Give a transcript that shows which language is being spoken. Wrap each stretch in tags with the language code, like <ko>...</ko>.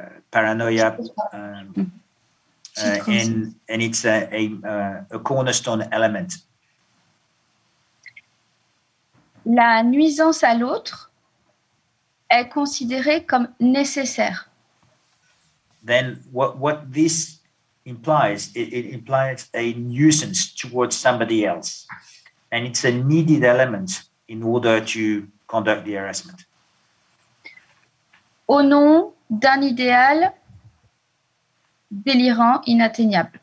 <en>paranoia, and it's a cornerstone element.</en> <fr>La nuisance à l'autre est considérée comme nécessaire.</fr> <en>Then what this implies, it implies a nuisance towards somebody else, and it's a needed element in order to conduct the harassment.</en> <fr>Au nom d'un idéal délirant, inatteignable.</fr>